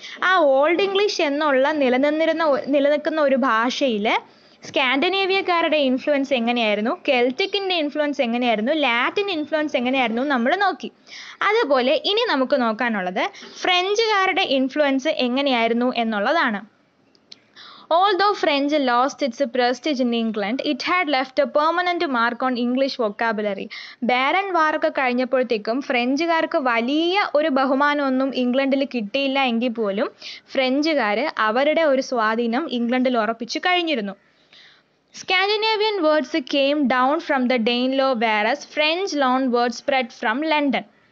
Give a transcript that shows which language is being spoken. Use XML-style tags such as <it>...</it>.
<ml>ആ old English എന്നുള്ള നിലനിൽക്കുന്ന ഒരു ഭാഷയിൽ സ്കാൻഡിനേവിയക്കാരുടെ ഇൻഫ്ലുവൻസ് എങ്ങനെയായിരുന്നു, കെൽറ്റിക്കിൻ്റെ ഇൻഫ്ലുവൻസ് എങ്ങനെയായിരുന്നു, ലാറ്റിൻ ഇൻഫ്ലുവൻസ് എങ്ങനെയായിരുന്നു നമ്മൾ നോക്കി. അതുപോലെ ഇനി നമുക്ക് നോക്കാനുള്ളത് ഫ്രഞ്ചുകാരുടെ ഇൻഫ്ലുവൻസ് എങ്ങനെയായിരുന്നു എന്നുള്ളതാണ്.</ml> <en>Although French lost its prestige in England, it had left a permanent mark on English vocabulary.</en> <ml>Baron വാറൊക്കെ കഴിഞ്ഞപ്പോഴത്തേക്കും ഫ്രഞ്ചുകാർക്ക് വലിയ ഒരു ബഹുമാനമൊന്നും ഇംഗ്ലണ്ടിൽ കിട്ടിയില്ല എങ്കിൽ പോലും ഫ്രഞ്ചുകാർ അവരുടെ ഒരു സ്വാധീനം ഇംഗ്ലണ്ടിൽ ഉറപ്പിച്ച് കഴിഞ്ഞിരുന്നു.</ml> <en>Scandinavian words came down from the Danelaw whereas French loan words spread from London.</en>